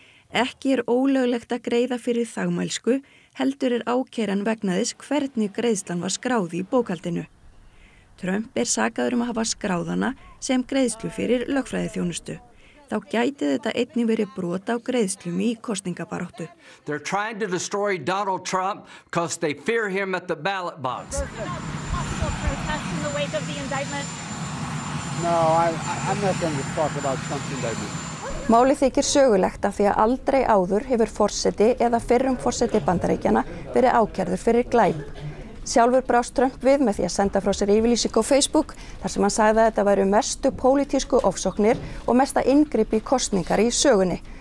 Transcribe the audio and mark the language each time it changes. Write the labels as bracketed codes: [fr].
[is] Ekki ólöglegt að greiða fyrir þagmælsku, heldur ákæran vegna þess hvernig greiðslan var skráð í bókhaldinu. Trump sakaður að hafa skráðana sem greiðslu fyrir lögfræðiþjónustu. Þá gæti þetta einnig verið brot á greiðslum í kosningabaróttu. [en] They're trying to destroy Donald Trump because they fear him at the ballot box. In the wake of the indictment? No, I'm not going to talk about Trump's indictment. [is] Máli þykir sögulegt af því að aldrei áður hefur forseti eða fyrrum forseti Bandaríkjanna verið ákærður fyrir glæp. Sjálfur brást Trump við með því að senda frá sér yfirlýsingu á Facebook þar sem hann sagði að þetta væru mestu pólitísku ofsóknir og mesta inngrip í kosningar í sögunni.